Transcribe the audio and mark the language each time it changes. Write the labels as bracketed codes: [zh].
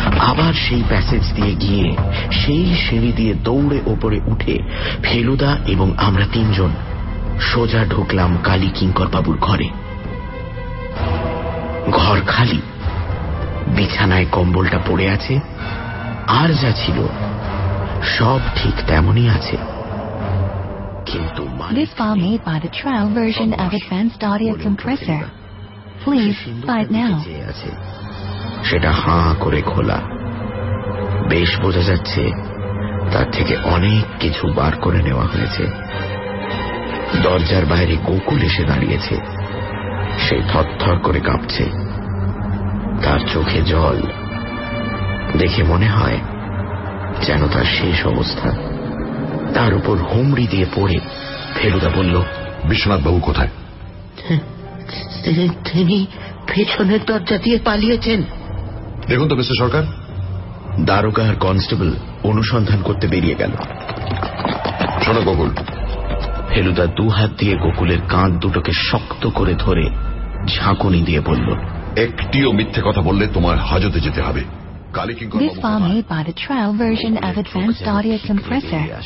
[bn] আবার সেই প্যাসেজ দিয়ে গিয়ে সেই সিঁড়ি দিয়ে দৌড়ে ওপরে উঠে ফেলুদা এবং আমরা তিনজন সোজা ঢুকলাম কালীকিঙ্কর বাবুর ঘরে। ঘর খালি, বিছানায় কম্বলটা পড়ে আছে, আর যা ছিল সব ঠিক তেমনই আছে। কিন্তু [en] This farm made by the trial version of advanced audio compressor. Please buy it now. [bn] সেটা হাঁ করে খোলা। বেশ বোঝা যাচ্ছে তার থেকে অনেক কিছু বার করে নেওয়া হয়েছে। দরজার বাইরে গোকুল এসে দাঁড়িয়েছে, সে থরথর করে কাঁপছে, তার চোখে জল, দেখে মনে হয় যেন তার শেষ অবস্থা। তার উপর হুমড়ি দিয়ে পড়ে ফেলুদা বলল, বিশ্বনাথ বাবু কোথায়? তিনি পেছনের দরজা দিয়ে পালিয়েছেন। দেখুন তো মিস্টার সরকার, দারোগা আর কনস্টেবল অনুসন্ধান করতে বেরিয়ে গেল। শোনো গোকুল, ফেলুদা দু হাত দিয়ে গোকুলের কাঁধ দুটোকে শক্ত করে ধরে ঝাঁকুনি দিয়ে বলল, একটিও মিথ্যে কথা বললে তোমার হাজতে যেতে হবে। [en] This film is by the trial version of Advanced Audio Compressor.